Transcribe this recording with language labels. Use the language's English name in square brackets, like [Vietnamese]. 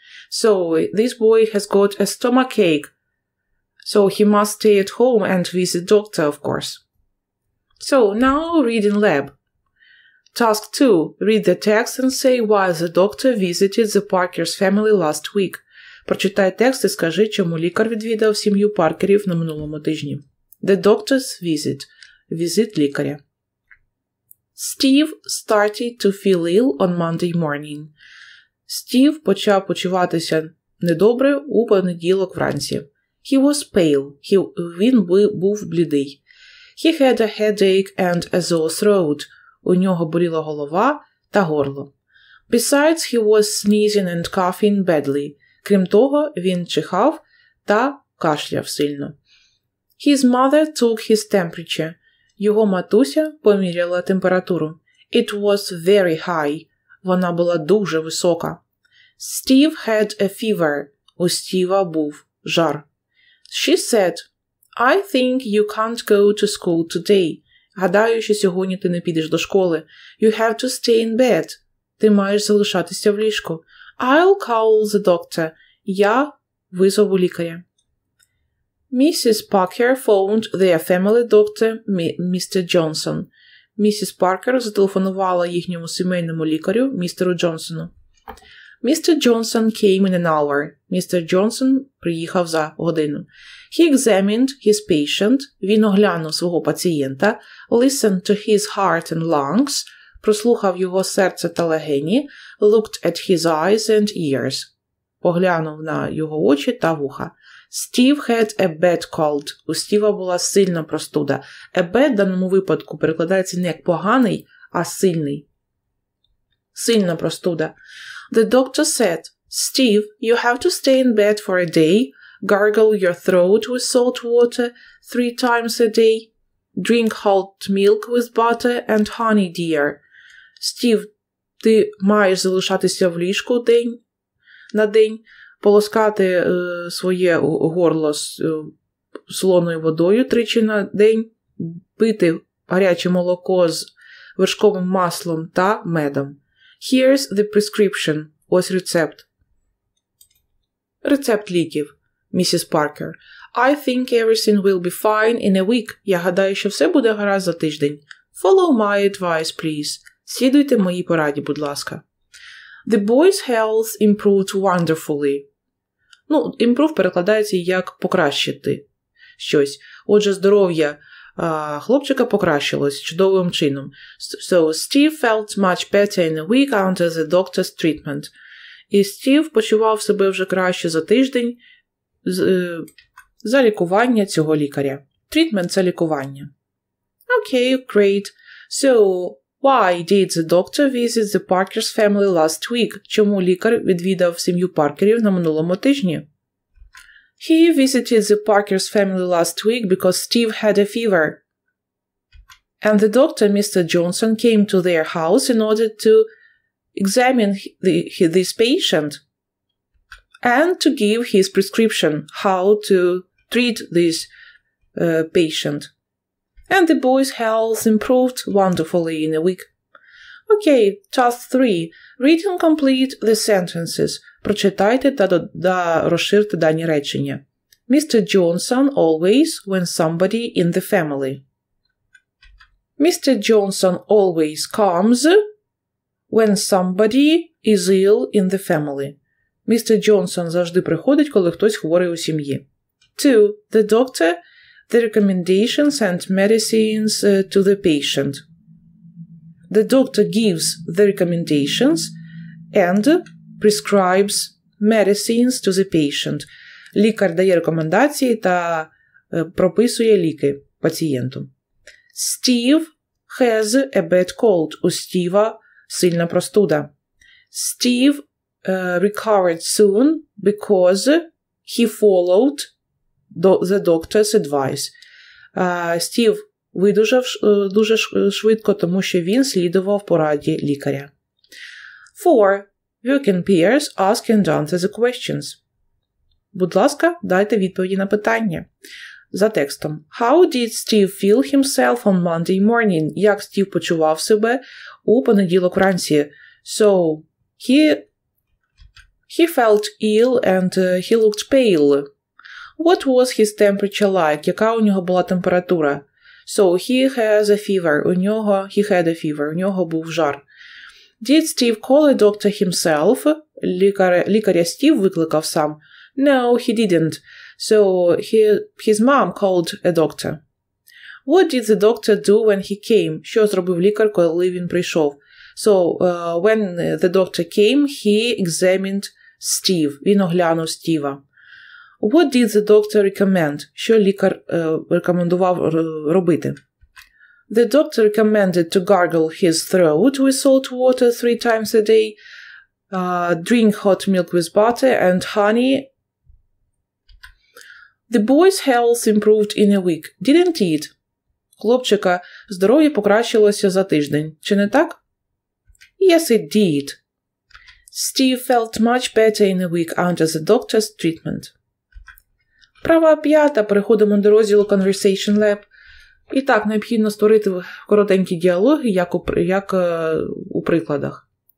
[English] So, this boy has got a stomachache, so he must stay at home and visit doctor, of course. So, now reading lab. Task 2. Read the text and say why the doctor visited the Parker's family last week. [Ukrainian] Прочитай текст і скажи, чому лікар відвідав сім'ю Паркерів на минулому тижні. [English] The doctor's visit. [Ukrainian] Візит лікаря. [English] Steve started to feel ill on Monday morning. [Ukrainian] Стів почав почуватися недобре у понеділок вранці. [English] He was pale. [Ukrainian] Він був блідий. [English] He had a headache and a sore throat. [Ukrainian] У нього боліла голова та горло. [English] Besides, he was sneezing and coughing badly. [Ukrainian] Крім того, він чихав та кашляв сильно. [English] His mother took his temperature. [Ukrainian] Його матуся поміряла температуру. [English] It was very high. [Ukrainian] Вона була дуже висока. [English] Steve had a fever. [Ukrainian] У Стіва був жар. [English] She said, I think you can't go to school today. [Ukrainian] Гадаю, що сьогодні ти не підеш до школи. [English] You have to stay in bed. [Ukrainian] Ти маєш залишатися в ліжку. [English] I'll call the doctor. [Ukrainian] Я визову лікаря. [English] Mrs. Parker phoned their family doctor, Mr. Johnson. [Ukrainian] Місіс Паркер зателефонувала їхньому сімейному лікарю, містеру Джонсону. [English] Mr. Johnson came in an hour. [Ukrainian] Містер Джонсон приїхав за годину. [English] He examined his patient. [Ukrainian] Він оглянув свого пацієнта. [English] Listened to his heart and lungs. [Ukrainian] Прослухав його серце та легені. [English] Looked at his eyes and ears. [Ukrainian] Поглянув на його очі та вуха. [English] Steve had a bad cold. [Ukrainian] У Стіва була сильна простуда. [English] A bad [Ukrainian] в даному випадку перекладається не як поганий, а сильний. Сильна простуда. [English] The doctor said, Steve, you have to stay in bed for a day. Gargle your throat with salt water 3 times a day. Drink hot milk with butter and honey, dear. [Ukrainian] Steve, ти маєш залишатися в ліжку на день. Полоскати своє горло солоною водою тричі на день, пити гаряче молоко з вершковим маслом та медом. [English] Here's the prescription. [Ukrainian] Ось рецепт. Рецепт ліків. Місіс Паркер. [English] I think everything will be fine in a week. [Ukrainian] Я гадаю, що все буде гаразд за тиждень. [English] Follow my advice, please. [Ukrainian] Слідуйте моїй пораді, будь ласка. [English] The boy's health improved wonderfully. [Ukrainian] Ну, improve перекладається як покращити щось. Отже, здоров'я хлопчика покращилось чудовим чином. [English] So, Steve felt much better in a week under the doctor's treatment. [Ukrainian] І Стів почував себе вже краще за тиждень за лікування цього лікаря. [English] Treatment – [Ukrainian] це лікування. [English] Okay, great. So, why did the doctor visit the Parker's family last week? [Ukrainian] Чому лікар відвідав сім'ю Паркерів на минулому тижні? [English] He visited the Parker's family last week because Steve had a fever. And the doctor, Mr. Johnson, came to their house in order to examine this patient and to give his prescription how to treat this patient. And the boy's health improved wonderfully in a week. Окей, task 3. Read and complete the sentences. [Ukrainian] Прочитайте та розширте дані речення. [English] Mr. Johnson always when somebody in the family. Mr. Johnson always comes when somebody is ill in the family. Mr. [Ukrainian] Johnson завжди приходить, коли хтось хворий у сім'ї. 2. [English] The doctor, the recommendations and medicines to the patient. The doctor gives the recommendations and prescribes medicines to the patient. [Ukrainian] Лікар дає рекомендації та прописує ліки пацієнту. [English] Steve has a bad cold. [Ukrainian] У Стіва сильна простуда. [English] Steve recovered soon because he followed the doctor's advice. [Ukrainian] Стів видужав дуже швидко, тому що він слідував пораді лікаря. 4. [English] Work in pairs, ask and answer the questions. [Ukrainian] Будь ласка, дайте відповіді на питання. За текстом. [English] How did Steve feel himself on Monday morning? [Ukrainian] Як Стів почував себе у понеділок вранці? [English] So, he felt ill and he looked pale. What was his temperature like? [Ukrainian] Яка у нього була температура? [English] So, he had a fever. [Ukrainian] У нього був жар. [English] Did Steve call a doctor himself? [Ukrainian] Лікаря Стів викликав сам? [English] No, he didn't. So, his mom called a doctor. What did the doctor do when he came? [Ukrainian] Що зробив лікар, коли він прийшов? [English] So, when the doctor came, he examined Steve. [Ukrainian] Він оглянув Стіва. [English] What did the doctor recommend? [Ukrainian] Що лікар рекомендував робити? [English] The doctor recommended to gargle his throat with salt water 3 times a day, drink hot milk with butter and honey. The boy's health improved in a week, didn't it? [Ukrainian] Хлопчика здоров'я покращилося за тиждень, чи не так? [English] Yes, it did. Steve felt much better in a week under the doctor's treatment. [Ukrainian] Права п'ята, переходимо до розділу Conversation Lab. І так, необхідно створити коротенькі діалоги, як у прикладах.